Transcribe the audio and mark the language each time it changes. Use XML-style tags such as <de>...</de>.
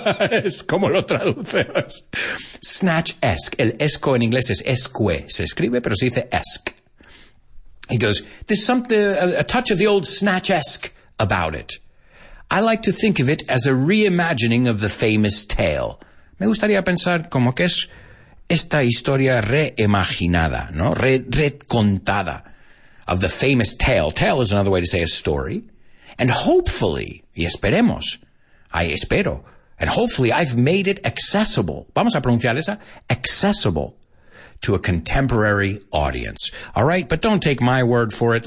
<es>Es como lo traduces. Snatch-esque. El esco en inglés es escue. Se escribe, pero se dice esque.</es> <en>He goes, there's something, a touch of the old Snatch-esque about it. I like to think of it as a reimagining of the famous tale.</en> <es>Me gustaría pensar como que es esta historia reimaginada, ¿no? Recontada.</es> <en>Of the famous tale. Tale is another way to say a story. And hopefully,</en> <es>y esperemos,</es> <en>I espero, and hopefully I've made it accessible.</en> <es>Vamos a pronunciar esa,</es> <en>accessible to a contemporary audience. All right, but don't take my word for it.</en>